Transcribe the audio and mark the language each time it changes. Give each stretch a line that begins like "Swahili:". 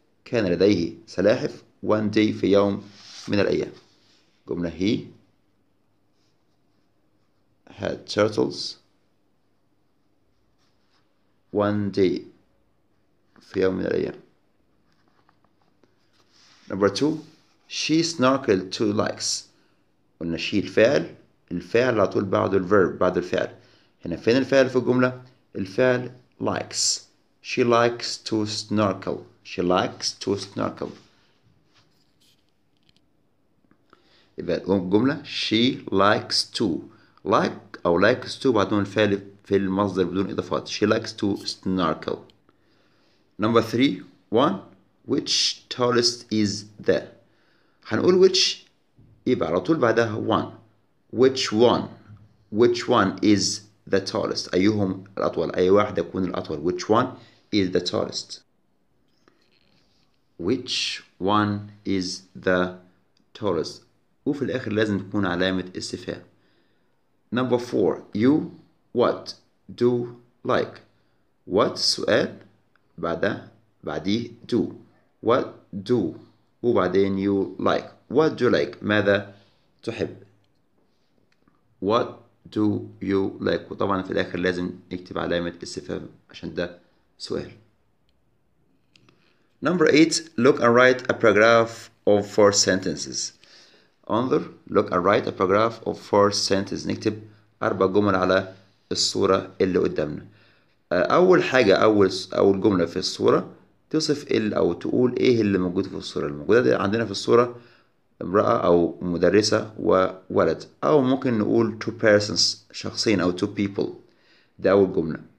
Arabic: كان لديه سلاحف one day في يوم من الأيام. جملة
English: he had turtles one day
Arabic: في يوم من الأيام.
English: Number two, she snorkeled two likes.
Arabic: قلنا she الفعل، الفعل على طول بعده الverb بعد الفعل. هنا فين الفعل في الجملة؟ الفعل likes.
English: She likes to snorkel. She likes to snorkel.
Arabic: يبقى الجملة she likes to like أو likes to بعدون الفعل في المصدر بدون إضافات.
English: She likes to snorkel. Number three, one, which tallest is the؟
Arabic: هنقول which يبقى على طول بعدها
English: one. Which one؟ Which one is the tallest؟
Arabic: أيهم الأطول؟ أي واحد يكون الأطول؟
English: Which one is the tallest؟ Which one is the tallest؟
Arabic: وفي الآخر لازم تكون علامة استفهام.
English: Number four, you what do like؟ What سؤال بعده بعديه do. What do وبعدين you like. What do you like؟
Arabic: ماذا تحب؟
English: What do you like؟
Arabic: وطبعا في الآخر لازم نكتب علامة استفهام عشان ده سؤال.
English: Number eight, look and write a paragraph of four sentences. انظر، look and write a paragraph of four sentences.
Arabic: نكتب أربع جمل على الصورة اللي قدامنا. أول حاجة، أول جملة في الصورة تصف أو تقول إيه اللي موجود في الصورة. الموجودة دي عندنا في الصورة امرأة أو مدرسة وولد، أو ممكن نقول
English: two persons،
Arabic: شخصين أو
English: two people.
Arabic: ده أول جملة.